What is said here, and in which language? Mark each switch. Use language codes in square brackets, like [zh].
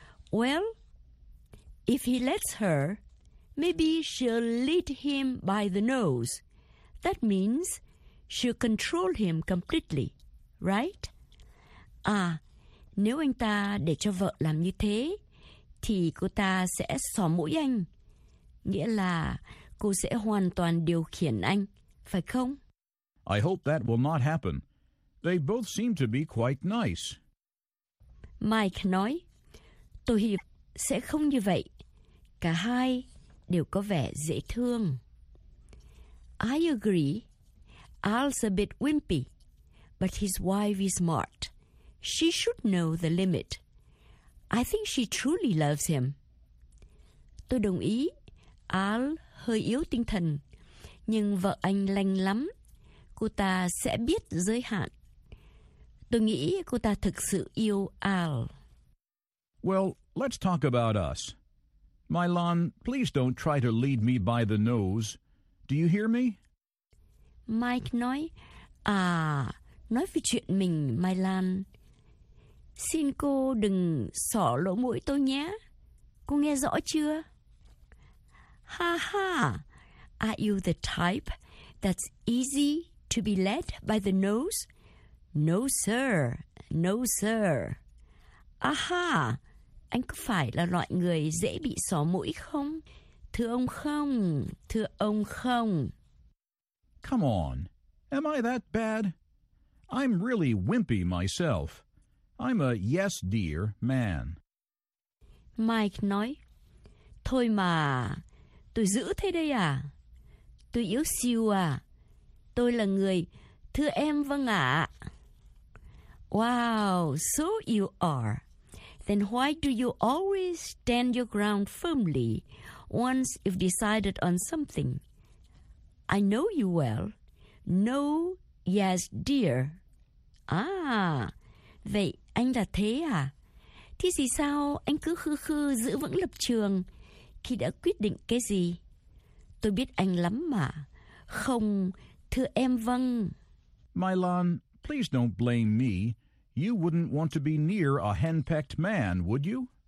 [en] Well, if he lets her, maybe she'll lead him by the nose. That means she'll control him completely, right? [vi] À, nếu anh ta để cho vợ làm như thế, thì cô ta sẽ xỏ mũi anh. Nghĩa là cô sẽ hoàn toàn điều khiển anh, phải không? [en] I hope that will not happen. They both seem to be quite nice. [vi] Mike nói, tôi hiểu sẽ không như vậy. Cả hai đều có vẻ dễ thương. [en] I agree. Al's a bit wimpy, but his wife is smart. She should know the limit. I think she truly loves him. [vi] Tôi đồng ý. Al hơi yếu tinh thần, nhưng vợ anh lành lắm. Cô ta sẽ biết giới hạn. Tôi nghĩ cô ta thực sự yêu Al. [en] Well, let's talk about us. Milan, please don't try to lead me by the nose. Do you hear me? [vi] Mike nói, à, nói về chuyện mình, Milan. Xin cô đừng xỏ lỗ mũi tôi nhé. Cô nghe rõ chưa? [en] Ha ha, are you the type that's easy to be led by the nose? No, sir. No, sir. [vi] Aha, anh có phải là loại người dễ bị xỏ mũi không? Thưa ông không, thưa ông không. [en] Come on, am I that bad? I'm really wimpy myself. I'm a yes, dear man. [vi] Mike nói, thôi mà, tôi dữ thế đây à? Tôi yếu siêu à? Tôi là người, thưa em vâng ạ. [en] Wow, so you are. Then why do you always stand your ground firmly once you've decided on something? I know you well. No, yes, dear. [vi] Ah, vậy anh là thế à? Thế thì sao anh cứ khư khư giữ vững lập trường khi đã quyết định cái gì? Tôi biết anh lắm mà. Không, thưa em vâng. [en] Milan, please don't blame me. You wouldn't want to be near a henpecked man, would you?